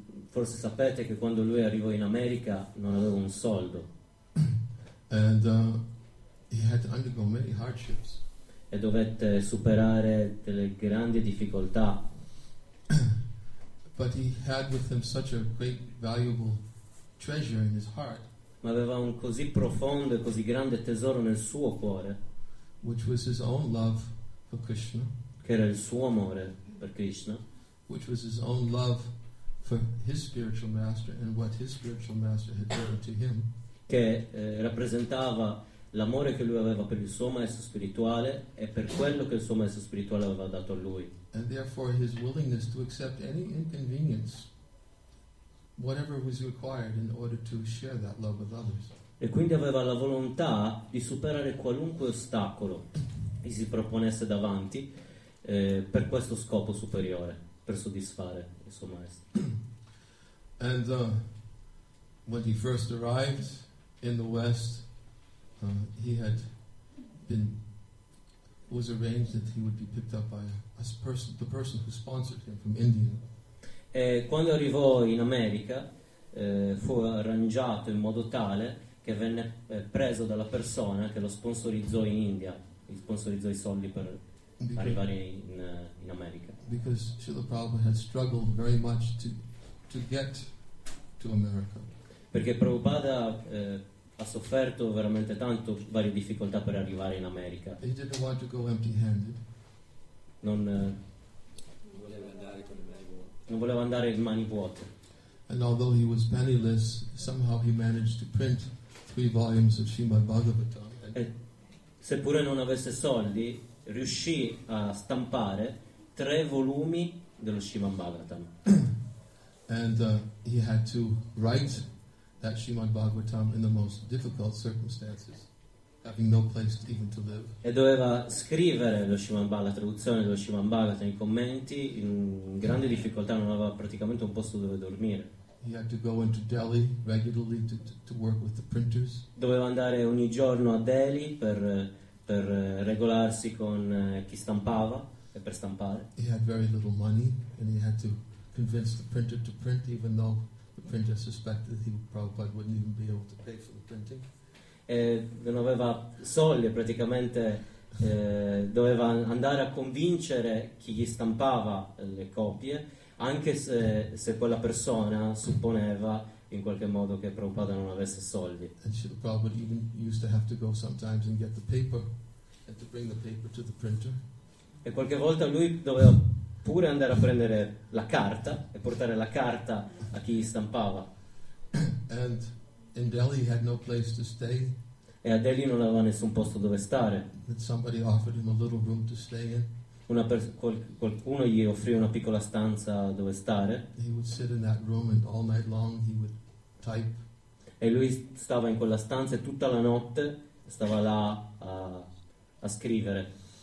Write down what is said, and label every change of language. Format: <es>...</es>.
<it>Forse sapete che quando lui arrivò in America non aveva un soldo.</it> <en>And he had to undergo many hardships.</en> <it>E dovette superare delle grandi difficoltà.</it> <en>But he had with him such a great valuable treasure in his heart.</en> <it>Ma aveva un così profondo e così grande tesoro nel suo cuore.</it> <en>Which was his own love for Krishna.</en> <it>Che era il suo amore per Krishna.</it> <en>Which was his own love for his spiritual master and what his spiritual master had given to him.</en> <it>Che rappresentava l'amore che lui aveva per il suo maestro spirituale e per quello che il suo maestro spirituale aveva dato a lui.</it> <en>And therefore his willingness to accept any inconvenience, whatever was required in order to share that love with others.</en> <it>E quindi aveva la volontà di superare qualunque ostacolo che si proponesse davanti per questo scopo superiore, per soddisfare il suo maestro.</it> <en>And when he first arrived in the West, he had been, it was arranged that he would be picked up by the person who sponsored him from India.</en> <it>E quando arrivò in America, fu arrangiato in modo tale che venne preso dalla persona che lo sponsorizzò in India, gli sponsorizzò i soldi per arrivare in America.</it> <en>Because Srila Prabhupada had struggled very much to get to America.</en> <it>Perché Prabhupada ha sofferto veramente tanto, varie difficoltà per arrivare in America.</it> <en>He didn't want to go empty-handed.</en> <it>Non voleva andare in mani vuote.</it> <en>And although he was penniless, somehow he managed to print 3 volumes of Srimad Bhagavatam.</en> <it>Seppure non avesse soldi, riuscì a stampare 3 volumi dello Srimad Bhagavatam.</it> <en>And he had to write that Srimad Bhagavatam in the most difficult circumstances, having no place even to live.</en> <it>E doveva scrivere lo Srimad Bhagavatam, la traduzione dello Srimad Bhagavatam, i commenti, in grande difficoltà, non aveva praticamente un posto dove dormire.</it> <en>He had to go into Delhi regularly to work with the printers.</en> <it>Doveva andare ogni giorno a Delhi per regolarsi con chi stampava e per stampare.</it> <en>He had very little money and he had to convince the printer to print, even though the printer suspected he probably wouldn't even be able to pay for the printing.</en> <it>E non aveva soldi, praticamente doveva andare a convincere chi gli stampava le copie, anche se quella persona supponeva in qualche modo che Prabhupada non avesse soldi.</it> <en>And she probably even used to have to go sometimes and get the paper and to bring the paper to the printer.</en> <it>E qualche volta lui doveva pure andare a prendere la carta e portare la carta a chi gli stampava.</it> <en>And in Delhi had no place to stay.</en> <it>E a Delhi non aveva nessun posto dove stare.</it> <en>Somebody offered him a little room to stay in.</en> <it>Qualcuno gli offrì una piccola stanza dove stare.</it> <en>He would sit in that room and all night long he would type.</en> <it>E lui stava in quella stanza e tutta la notte stava là a scrivere.</it>